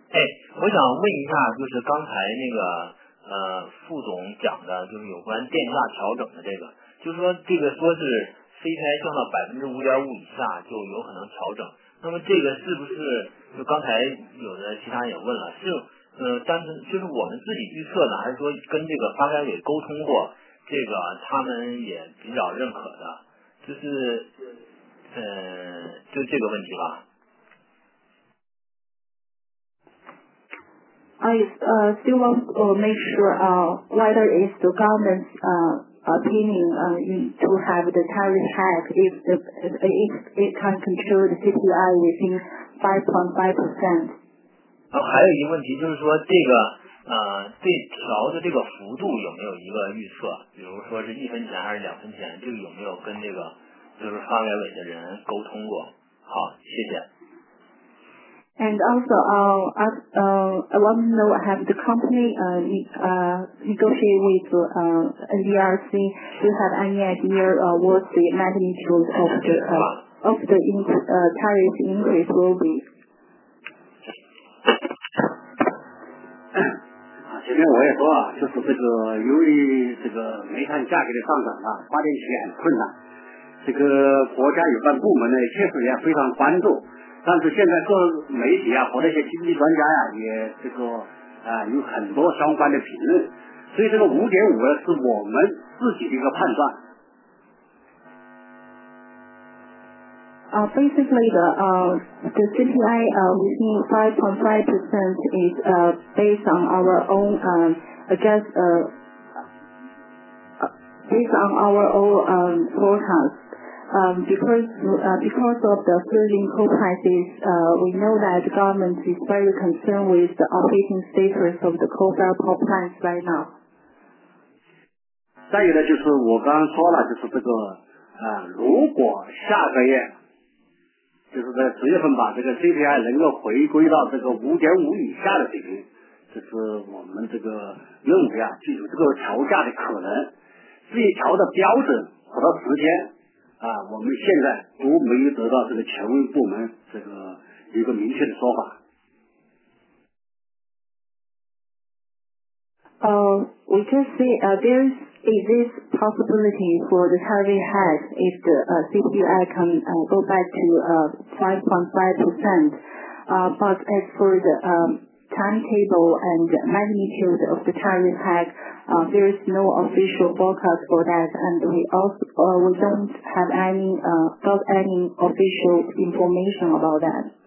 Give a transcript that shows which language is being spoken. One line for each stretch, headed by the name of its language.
Chinese: 哎，我想问一下，就是刚才那个副总讲的，就是有关电价调整的这个，就是说这个说是非拆降到5.5%以下就有可能调整，那么这个是不是就刚才有的其他人也问了，是单纯就是我们自己预测的，还是说跟这个发改委沟通过，这个他们也比较认可的，就是就这个问题吧。
English: I still want to make sure whether it's the government's opinion to have the tariff hike if it can control the CPI within 5.5%.
Chinese: 还有一个问题就是说这个这调的这个幅度有没有一个预测，比如说是一分钱还是两分钱，就有没有跟这个就是发改委的人沟通过。好，谢谢。
English: And also, I want to know, have the company negotiated with NDRC? Do you have any idea what the magnitude of the tariff increase will be?
Chinese: 前面我也说啊，就是这个由于这个煤炭价格的上涨啊，发电企业很困难。这个国家有关部门呢，确实也非常关注。但是现在各媒体啊和那些经济专家呀、啊，也这个啊有很多相关的评论，所以这个5.5%是我们自己的一个判断。
English: Basically the CPI within 5.5% is based on our own based on our own forecast. Because of the surging coal prices, we know that the government is very concerned with the operating status of the coal-fired power plants right now.
Chinese: 再有呢，就是我刚刚说了，就是这个如果下个月，就是在10月份把这个 CPI 能够回归到这个5.5%以下的水平，就是我们这个认为啊，具有这个调价的可能。至于调的标准和到时间。我们现在都没有得到这个权威部门这个一个明确的说法。
English: We can see there is this possibility for the tariff hike if the CPI can go back to 5.5%. But as for the timetable and magnitude of the tariff hike, there is no official forecast for that, and we don't have any official information about that.